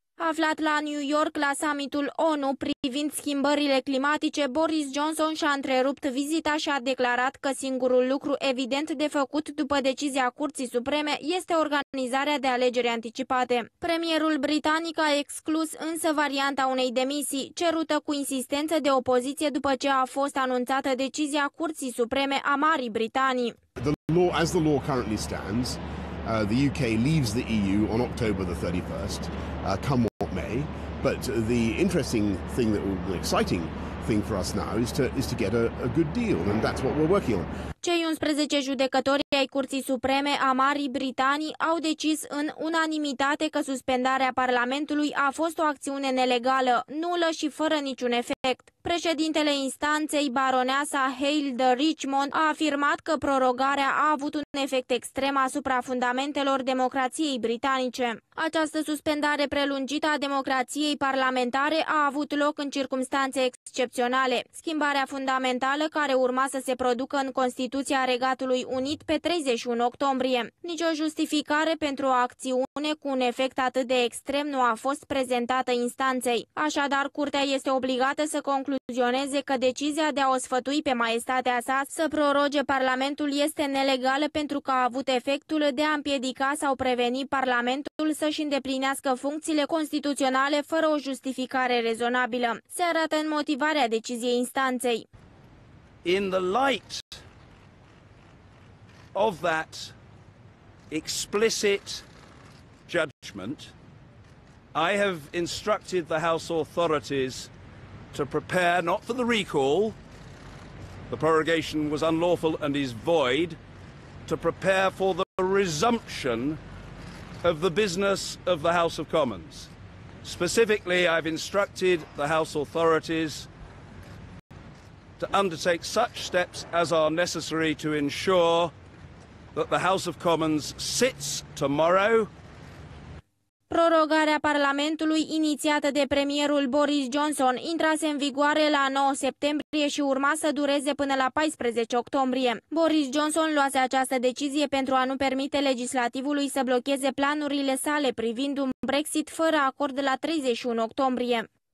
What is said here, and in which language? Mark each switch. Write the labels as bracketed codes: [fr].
[ro] Aflat la New York la summitul ONU privind schimbările climatice, Boris Johnson și-a întrerupt vizita și a declarat că singurul lucru evident de făcut după decizia Curții Supreme este organizarea de alegeri anticipate. Premierul britanic a exclus însă varianta unei demisii, cerută cu insistență de opoziție după ce a fost anunțată decizia Curții Supreme a Marii Britanii. [en] The law, as the law currently stands, the UK leaves the EU on October the 31st. Come what may, but the interesting thing, that the exciting thing for us now is to get a good deal, and that's what we're working on. [ro] Cei 11 judecători ai Curții Supreme a Marii Britanii au decis în unanimitate că suspendarea Parlamentului a fost o acțiune nelegală, nulă și fără niciun efect. Președintele instanței, baroneasa Hale de Richmond, a afirmat că prorogarea a avut un efect extrem asupra fundamentelor democrației britanice. Această suspendare prelungită a democrației parlamentare a avut loc în circumstanțe excepționale. Schimbarea fundamentală care urma să se producă în Constituția Regatului Unit pe 31 octombrie. Nicio justificare pentru o acțiune cu un efect atât de extrem nu a fost prezentată instanței. Așadar, curtea este obligată să concluzioneze că decizia de a o sfătui pe maestatea sa să proroge Parlamentul este nelegală pentru că a avut efectul de a împiedica sau preveni Parlamentul să-și îndeplinească funcțiile constituționale fără o justificare rezonabilă. Se arată în motivarea deciziei instanței. [en] In the light of that explicit judgment, I have instructed the House authorities to prepare not for the recall, the prorogation was unlawful and is void, to prepare for the resumption of the business of the House of Commons. Specifically, I've instructed the House authorities to undertake such steps as are necessary to ensure that the House of Commons sits tomorrow. [ro] Prorogarea Parlamentului, inițiată de premierul Boris Johnson, intrase în vigoare la 9 septembrie și urma să dureze până la 14 octombrie. Boris Johnson luase această decizie pentru a nu permite legislativului să blocheze planurile sale privind un Brexit fără acord la 31 octombrie.